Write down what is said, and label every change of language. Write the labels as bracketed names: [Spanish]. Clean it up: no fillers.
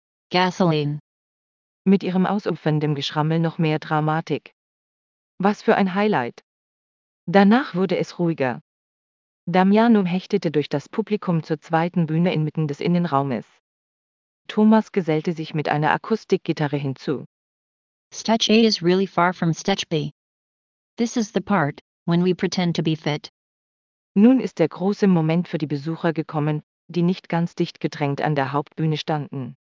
[English] Gasoline. [German] Mit ihrem ausufernden Geschrammel noch mehr Dramatik. Was für ein Highlight. Danach wurde es ruhiger. Damiano hechtete durch das Publikum zur zweiten Bühne inmitten des Innenraumes. Thomas gesellte sich mit einer Akustikgitarre hinzu. [English] Stage A is really far from Stage B. This is the part, when we pretend to be fit. [German] Nun ist der große Moment für die Besucher gekommen, die nicht ganz dicht gedrängt an der Hauptbühne standen.